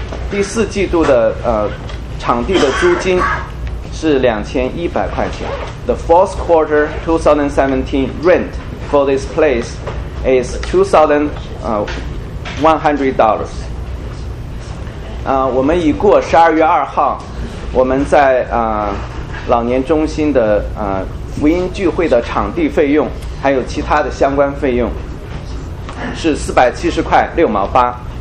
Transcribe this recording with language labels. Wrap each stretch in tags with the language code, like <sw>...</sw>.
<zh>第四季度的场地的租金是2,100.</zh> <en>The fourth quarter 2017 rent for this place is $2,100.</en> <zh>我们已过12月2号，我们在老年中心的福音聚会的场地费用还有其他的相关费用是470.68.</zh>